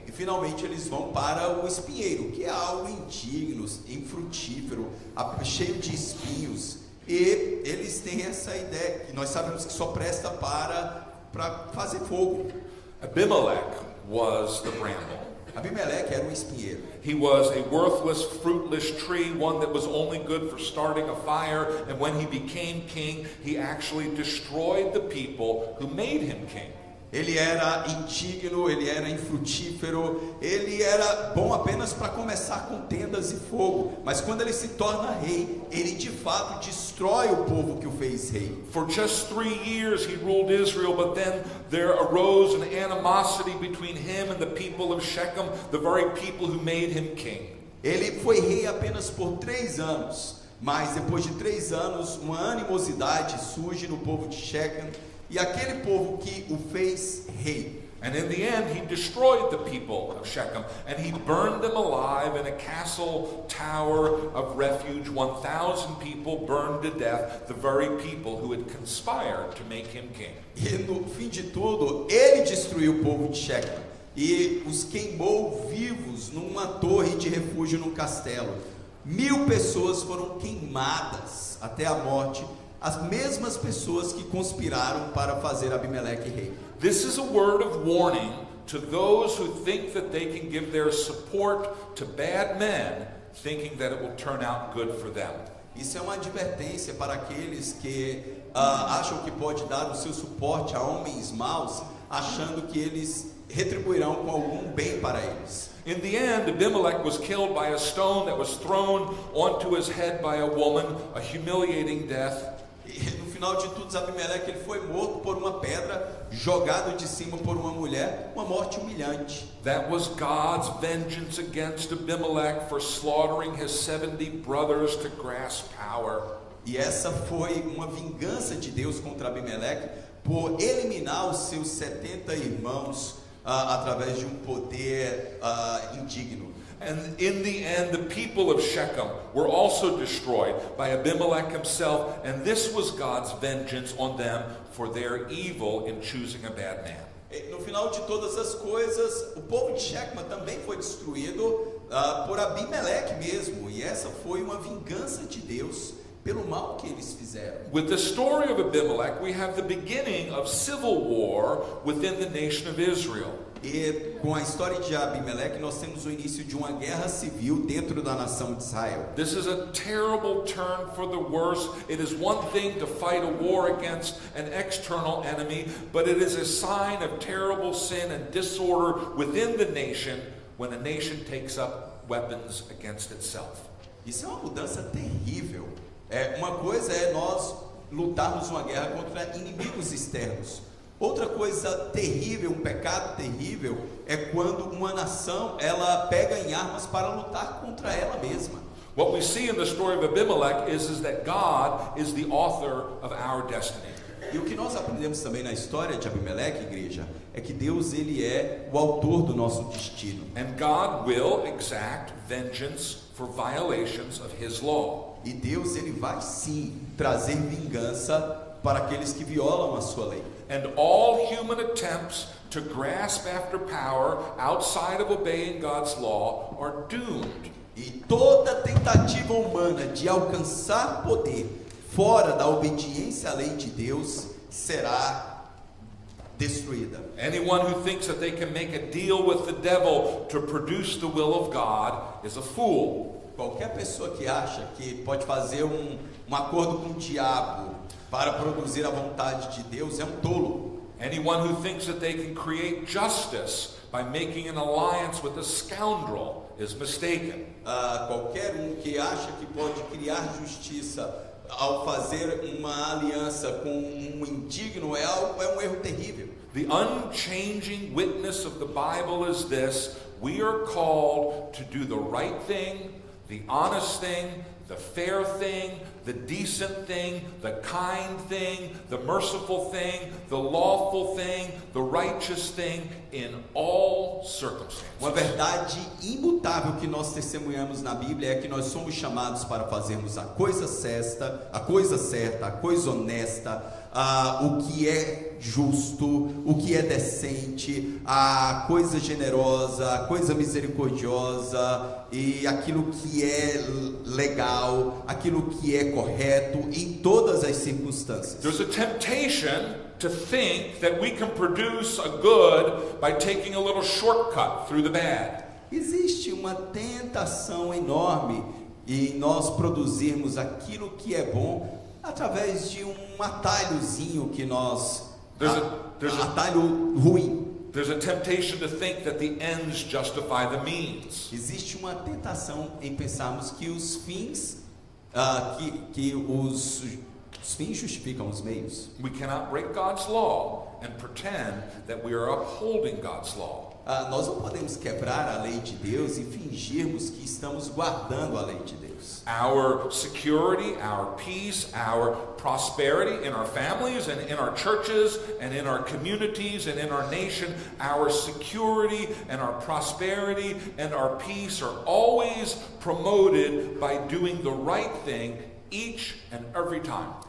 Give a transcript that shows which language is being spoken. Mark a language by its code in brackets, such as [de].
[pt] E finalmente eles vão para o espinheiro, que é algo indigno, infrutífero, cheio de espinhos. E eles têm essa ideia, que nós sabemos que só presta para fazer fogo. [en] Abimelech was the bramble. [pt] Abimelech era um espinheiro. [en] He was a worthless, fruitless tree, one that was only good for starting a fire, and when he became king, he actually destroyed the people who made him king. [pt] Ele era indigno, ele era infrutífero, ele era bom apenas para começar contendas e fogo, mas quando ele se torna rei, ele de fato destrói o povo que o fez rei. [en] For just 3 years he ruled Israel, but then there arose an animosity between him and the people of Shechem, the very people who made him king. [pt] Ele foi rei apenas por 3 anos, mas depois de 3 anos uma animosidade surge no povo de Shechem e aquele povo que o fez rei. [en] And in the end, he destroyed the people of Shechem, and he burned them alive in a castle tower of refuge. 1,000 people burned to death, the very people who had conspired to make him king. [pt] E no fim de tudo, ele destruiu o povo de Shechem e os queimou vivos numa torre de refúgio num castelo. 1,000 pessoas foram queimadas até a morte, as mesmas pessoas que conspiraram para fazer Abimeleque rei. [en] This is a word of warning to those who think that they can give their support to bad men, thinking that it will turn out good for them. [pt] Isso é uma advertência para aqueles que acham que pode dar o seu suporte a homens maus, achando que eles retribuirão com algum bem para eles. [en] In the end, Abimelech was killed by a stone that was thrown onto his head by a woman, a humiliating death. [pt] No final de tudo, Abimeleque, ele foi morto por uma pedra jogada de cima por uma mulher, uma morte humilhante. [en] That was God's vengeance against Abimelech for slaughtering his 70 brothers to grasp power. [pt] E essa foi uma vingança de Deus contra Abimeleque por eliminar os seus 70 irmãos através de um poder indigno. [en] And in the end, the people of Shechem were also destroyed by Abimelech himself, and this was God's vengeance on them for their evil in choosing a bad man. [pt] No final de todas as coisas, o povo de Shechem também foi destruído por Abimelech mesmo, e essa foi uma vingança de Deus pelo mal que eles fizeram. [en] With the story of Abimelech, we have the beginning of civil war within the nation of Israel. [pt] E com a história de Abimeleque, nós temos o início de uma guerra civil dentro da nação de Israel. [en] This is a terrible turn for the worse. It is one thing to fight a war against an external enemy, but it is a sign of terrible sin and disorder within the nation when a nation takes up weapons against itself. [pt] Isso é uma mudança terrível. É, uma coisa é nós lutarmos uma guerra contra inimigos externos. Outra coisa terrível, um pecado terrível, é quando uma nação ela pega em armas para lutar contra ela mesma. [en] What we see in the story of Abimelech is that God is the author of our destiny. [pt] E o que nós aprendemos também na história de Abimeleque, igreja, é que Deus ele é o autor do nosso destino. [en] And God will exact vengeance for violations of his law. [pt] E Deus ele vai sim trazer vingança para aqueles que violam a sua lei. [en] And all human attempts to grasp after power outside of obeying God's law are doomed. [pt] E toda tentativa humana de alcançar poder fora da obediência à lei de Deus será destruída. [en] Anyone who thinks that they can make a deal with the devil to produce the will of God is a fool. [pt] Qualquer pessoa que acha que pode fazer um acordo com o diabo para produzir a vontade de Deus é um tolo. [en] Anyone who thinks that they can create justice by making an alliance with a scoundrel is mistaken. [pt] Qualquer um que acha que pode criar justiça ao fazer uma aliança com um indigno é um erro terrível. [en] The unchanging witness of the Bible is this: we are called to do the right thing, the honest thing, the fair thing, the decent thing, the kind thing, the merciful thing, the lawful thing, the righteous thing in all circumstances. [pt] Uma verdade imutável que nós testemunhamos na Bíblia é que nós somos chamados para fazermos a coisa certa, a coisa honesta, o que é justo, o que é decente, a coisa generosa, a coisa misericordiosa e aquilo que é legal, aquilo que é correto em todas as circunstâncias. [en] There's a temptation to think that we can produce a good by taking a little shortcut through the bad. [pt] Existe uma tentação enorme em nós produzirmos aquilo que é bom através de um atalhozinho que nós atalho ruim. [en] There's a temptation to think that the ends justify the means. [pt] Existe uma tentação em pensarmos que os fins que os Os fins justificam os meios. [en] We cannot break God's law and pretend that we are upholding God's law. [pt] Nós não podemos quebrar a lei de Deus e fingirmos que estamos guardando a lei de Deus. [en] Our security, our peace, our prosperity in our families and in our churches and in our communities and in our nation, our security and our prosperity and our peace are always promoted by doing the right thing each and every time.